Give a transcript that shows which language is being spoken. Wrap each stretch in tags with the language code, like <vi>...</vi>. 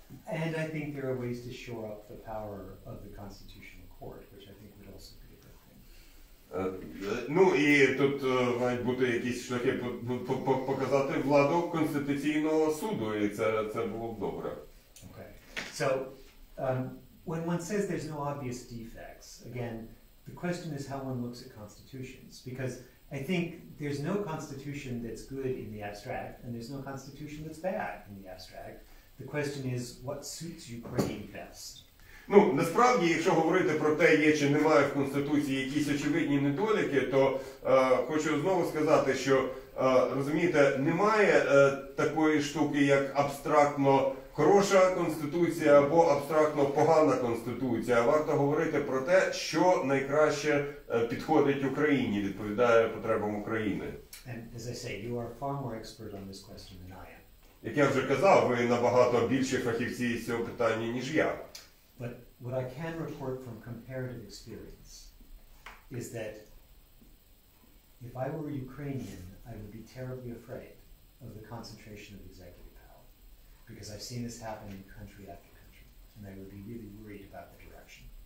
<en>And I think there are ways to shore up the power of the Constitutional Court, which I think would also be a good thing.</en> <uk>Ну, і тут мають бути якісь шляхи показати владу Конституційного суду, і це було б добре.</uk> <en>Okay. So, when one says there's no obvious defects, again, the question is how one looks at constitutions. Because I think there's no constitution that's good in the abstract, and there's no constitution that's bad in the abstract. The question is, what suits Ukraine best?</en> <uk>Ну, насправді, якщо говорити про те, є чи немає в Конституції якісь очевидні недоліки, то хочу знову сказати, що, розумієте, немає такої штуки, як абстрактно хороша Конституція або абстрактно погана Конституція. Варто говорити про те, що найкраще підходить Україні, відповідає потребам України.</uk> <en>And as I say, you are far more expert on this question than I am.</en> <uk>Як я вже казав, ви набагато більші фахівці з цього питання, ніж я.</uk> <en>But what I can report from comparative experience is that if I were Ukrainian, I would be terribly afraid of the concentration of executive power. Because I've seen this happen in country after country. And I would be really worried about the direction.</en>